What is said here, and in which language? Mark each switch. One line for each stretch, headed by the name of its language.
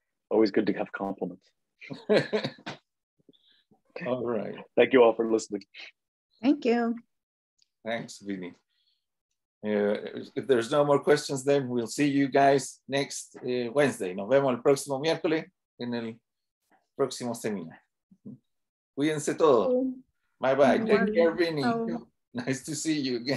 English: Always good to have compliments. All right. Thank you all for listening. Thank you. Thanks, Vinny. If there's no more questions, then we'll see you guys next Wednesday.
Spanish: Nos vemos el próximo miércoles en el próximo seminario. Cuídense todo.
English: Bye bye. Take care, Vinny. Nice to see you again.